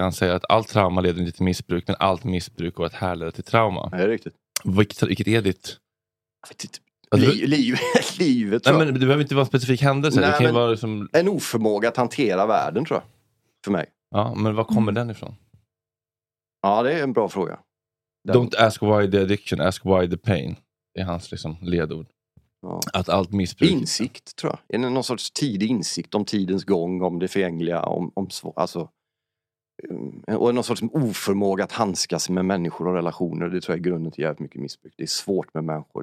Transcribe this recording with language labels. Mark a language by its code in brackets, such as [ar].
[sv] Han säger att allt trauma leder till missbruk, men allt missbruk går att härleda till trauma. Ja, det är riktigt. Vilket är ditt? Livet, tror jag. Nej, men det behöver inte vara en specifik händelse. Nej, det kan vara liksom... En oförmåga att hantera världen, tror jag. För mig. Ja, men var kommer den ifrån? Ja, det är en bra fråga. [en] Don't ask why the addiction, ask why the pain. [sv] Det är hans liksom ledord. Ja. Att allt missbruk... Insikt, tror jag. Någon sorts tidig insikt om tidens gång, om det förgängliga, om alltså, och någon sorts oförmåga att handskas med människor och relationer. Det tror jag är grunden till jävligt mycket missbruk. Det är svårt med människor.